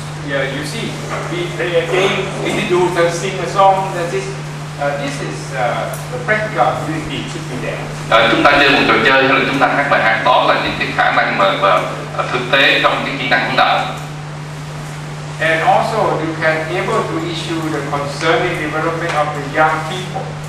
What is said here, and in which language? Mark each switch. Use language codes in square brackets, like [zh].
[en] Yeah, you see, we play a game, we do the sing a song. This is the practical ability should be there. [vi] Chúng ta chơi một trò chơi hay là chúng ta hát bài hát, đó là những cái khả năng mà thực tế trong cái kỹ năng hướng đạo. [en] And also, you can able to issue the concerning development of the young people.